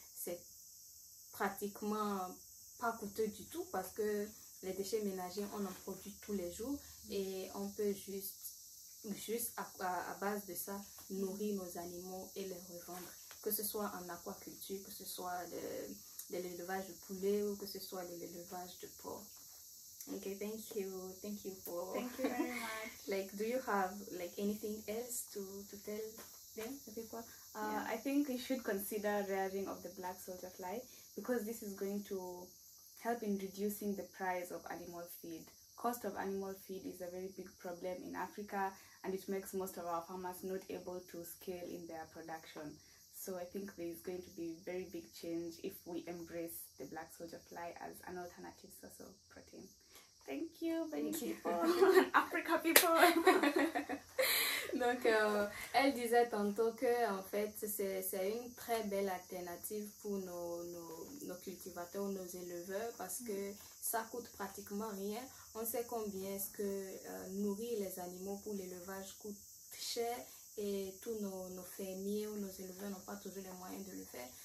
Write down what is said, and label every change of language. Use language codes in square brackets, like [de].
[fr] C'est pratiquement pas coûteux du tout parce que les déchets ménagers, on en produit tous les jours et on peut juste à base de ça nourrir nos animaux et les revendre. Que ce soit en aquaculture, que ce soit de l'élevage de poulet ou que ce soit de l'élevage de porc. [en] Okay, thank you for. Thank you very much. Like, do you have like anything else to tell them, the people? I think you should consider rearing of the black soldier fly because this is going to help in reducing the price of animal feed. Cost of animal feed is a very big problem in Africa and it makes most of our farmers not able to scale in their production. So I think there is going to be very big change if we embrace the black soldier fly as an alternative source of protein. Thank you, many people. Africa people. [fr] Donc, elle disait tantôt que, en fait, c'est une très belle alternative pour nos cultivateurs, nos éleveurs, parce que ça coûte pratiquement rien. On sait combien est-ce que nourrir les animaux pour l'élevage coûte cher et tous nos fermiers ou nos éleveurs n'ont pas toujours les moyens de le faire.